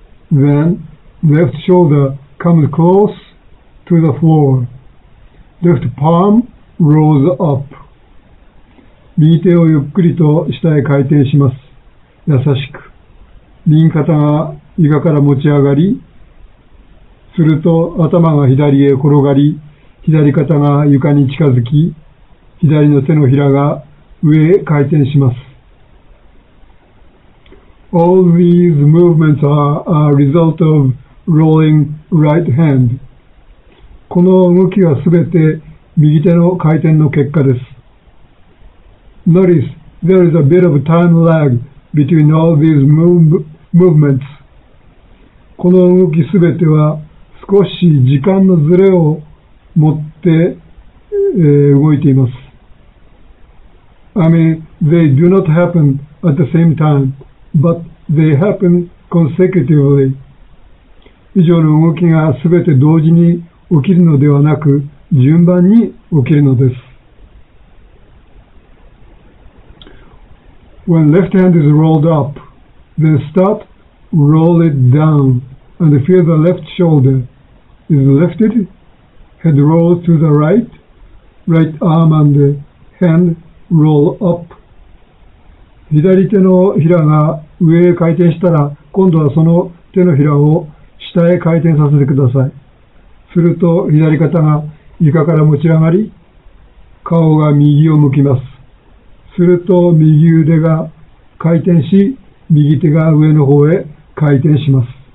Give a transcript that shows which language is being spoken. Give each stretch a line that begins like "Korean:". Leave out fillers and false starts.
English: Then left shoulder comes close to the floor. Left palm rolls up.
Japanese: 右手をゆっくりと下へ回転します。優しく。右肩が床から持ち上がり、すると頭が左へ転がり、左肩が床に近づき、左の手のひらが上へ回転します。
English: All these movements are a result of rolling right hand.
Japanese: この動きはすべて右手の回転の結果です。
English: Notice there is a bit of time lag between all these movements.
Japanese: この動きすべては少し時間のずれを持って、動いています。
English: I mean, they do not happen at the same time, but they happen consecutively.
Japanese: 以上の動きがすべて同時に起きるのではなく、順番に起きるのです。
English: When left hand is rolled up, then start, roll it down, and feel the left shoulder is lifted, head rolls to the right, right arm and hand roll up.
Japanese: 左手のひらが上へ回転したら、今度はその手のひらを下へ回転させてください。すると左肩が床から持ち上がり、顔が右を向きます。すると右腕が回転し、右手が上の方へ回転します。